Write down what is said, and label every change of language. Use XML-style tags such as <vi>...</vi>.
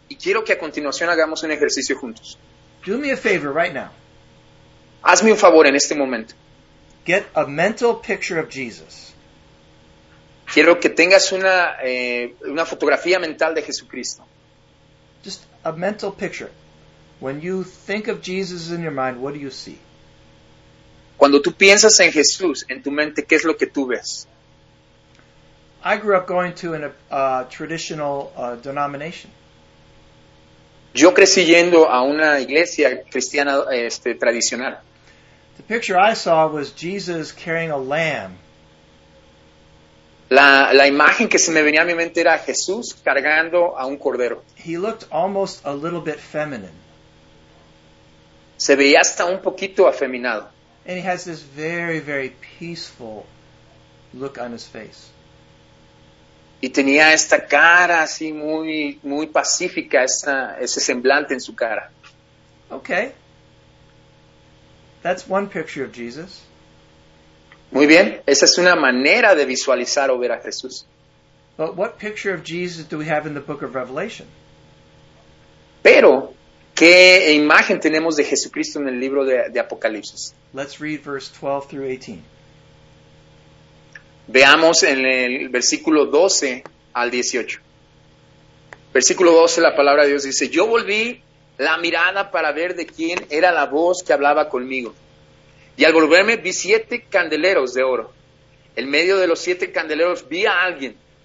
<es>Y quiero que a continuación hagamos un ejercicio juntos.</es> <en>Do me a favor right now.</en> <es>Hazme un favor en este momento.</es> <en>Get a mental picture of Jesus.</en> <es>Quiero que tengas una fotografía mental de Jesucristo.</es> <en>Just a mental picture. When you think of Jesus in your mind, what do you see?</en> <es>Cuando tú piensas en Jesús en tu mente, ¿qué es lo que tú ves?</es> <en>I grew up going to a traditional denomination.</en> <es>Yo crecí yendo a una iglesia cristiana tradicional.</es> <en>The picture I saw was Jesus carrying a lamb.</en> <es>La imagen que se me venía a mi mente era Jesús cargando a un cordero.</es> <en>He looked almost a little bit feminine.</en> <es>Se veía hasta un poquito afeminado.</es> <en>And he has this very, very peaceful look on his face.</en> <es>Y tenía esta cara así muy, muy pacífica, ese semblante en su cara.</es> <en>Okay. That's one picture of Jesus.</en> <es>Muy bien. Esa es una manera de visualizar o ver a Jesús.</es> <en>But what picture of Jesus do we have in the book of Revelation?</en> <es>Pero, ¿qué imagen tenemos de Jesucristo en el libro de Apocalipsis?</es> <en>Let's read verse 12 through 18.</en> <es>Veamos en el versículo 12 al 18. Versículo 12, la palabra de Dios dice: yo volví la mirada para ver de quién era la voz que hablaba conmigo. Y al volverme vi siete candeleros de oro. En medio de los siete candeleros vi a alguien</es>